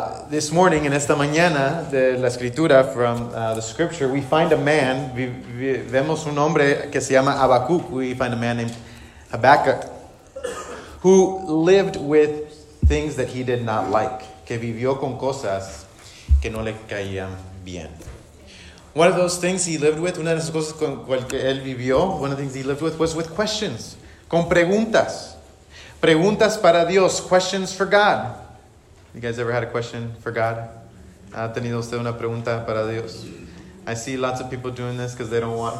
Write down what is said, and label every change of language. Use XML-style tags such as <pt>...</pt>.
<en>This morning,</en> <es>en esta mañana, de la escritura,</es> <en>from the scripture, we find a man,</en> <es>vemos un hombre que se llama Habacuc.</es> <en>We find a man named Habacuc, who lived with things that he did not like.</en> <es>Que vivió con cosas que no le caían bien.</es> <en>One of those things he lived with,</en> <es>una de esas cosas con cual que él vivió,</es> <en>one of the things he lived with was with questions,</en> <es>con preguntas. Preguntas para Dios,</es> <en>questions for God. You guys ever had a question for God?</en> <es>¿Ha tenido usted una pregunta para Dios?</es> <en>I see lots of people doing this because they don't want.</en>